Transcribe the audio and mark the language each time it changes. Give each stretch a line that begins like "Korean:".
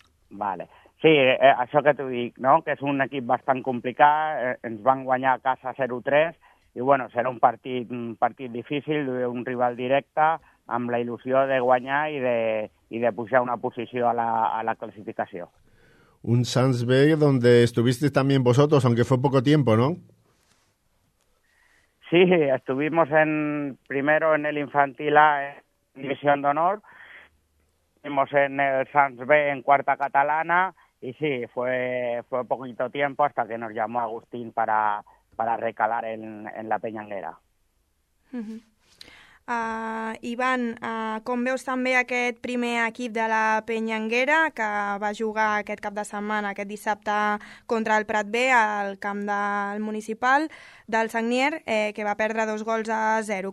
Catalan: Vale. Sí, això que t'ho dic, no? Que és un equip bastant complicat, ens van guanyar a casa 0-3, i bueno, serà un partit difícil, un rival directe, amb la il·lusió de guanyar i de pujar una posició a la classificació.
Spanish: Un Sants B donde estuviste también vosotros, aunque fue poco tiempo, ¿no? Sí, estuvimos primero en el Infantil A, en División de Honor, estuvimos en el Sants B en Cuarta Catalana, y sí, fue poquito tiempo hasta que nos llamó Agustín para recalar en la Peñanguera. Uh-huh.
Catalan: Ivan, com veus també aquest primer equip de la Peñanguera que va jugar aquest cap de setmana, aquest dissabte, contra el Prat B al camp del municipal del Sagnier, que va perdre 2-0?